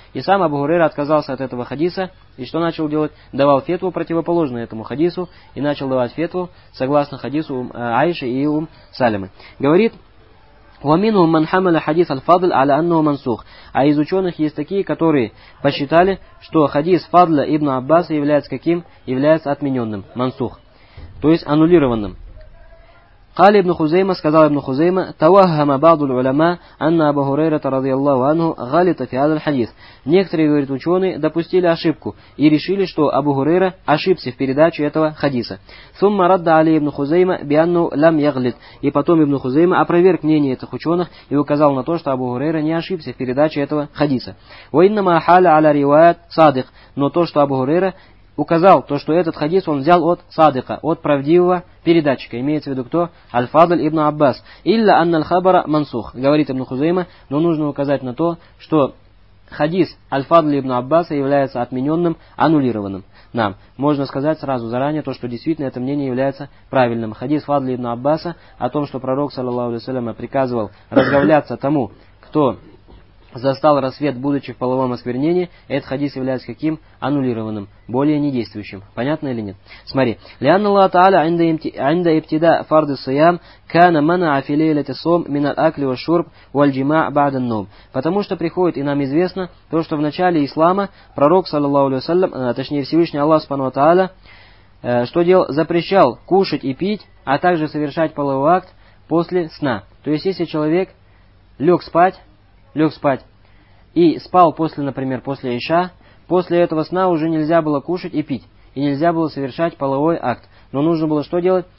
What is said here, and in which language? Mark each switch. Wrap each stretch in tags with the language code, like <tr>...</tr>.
<ru>И сам Абу Гурейра отказался от этого хадиса. И что начал делать? Давал фетву, противоположную этому хадису, и начал давать фетву согласно хадису Аиши и ум Салемы.</ru> <ar>Говорит: «Ваминум ман хамаля хадис аль-фадль аля анну мансух».</ar> <ru>А из ученых есть такие, которые посчитали, что хадис Фадля ибн Аббаса является каким? Является отмененным, мансух. То есть аннулированным.</ru> <ar>قال ابن خزيمة</ar> <ru>сказал</ru> <ar>ابن خزيمة توهم بعض العلماء أن أبو هريرة رضي الله عنه غلط في هذا الحديث.</ar> <ru>Некоторые, говорит, ученые допустили ошибку и решили, что Абу Хурейра ошибся в передаче этого хадиса.</ru> <ar>ثم رد عليه ابن خزيمة بأنه لم يغلط.</ar> <ru>И потом ابن خزيمة опроверг мнение этих ученых и указал на то, что Абу Хурейра не ошибся в передаче этого хадиса.</ru> <ar>وإنما حال على رواية صادق.</ar> <ru>Но то, что Абу Хурейра указал то, что этот хадис он взял от садика, от правдивого передатчика. Имеется в виду кто? Аль-Фадль ибн Аббас.</ru> <ar>«Илля анна аль-хабара мансух»,</ar> <ru>говорит ибн Хузейма, но нужно указать на то, что хадис Аль-Фадль ибн Аббаса является отмененным, аннулированным. Нам можно сказать сразу заранее то, что действительно это мнение является правильным. Хадис Фадли ибн Аббаса о том, что пророк, саллаллаху алейхи ва саллям, приказывал разговляться тому, кто застал рассвет, будучи в половом осквернении, этот хадис является каким? Аннулированным, более недействующим. Понятно или нет? Смотри.</ru> <ar>لأن الله تعالى عند ابتداء فرض الصيام كان منع في ليلة الصوم من الأكل والشرب والجماع بعد النوم.</ar> <ru>Потому что приходит, и нам известно, то, что в начале ислама пророк, саллаллаху алейхи ва саллям, точнее Всевышний Аллах субхана ва тааля, что делал? Запрещал кушать и пить, а также совершать половой акт после сна. То есть, если человек лег спать и спал после, например, после Иша, после этого сна уже нельзя было кушать и пить, и нельзя было совершать половой акт. Но нужно было что делать?</ru>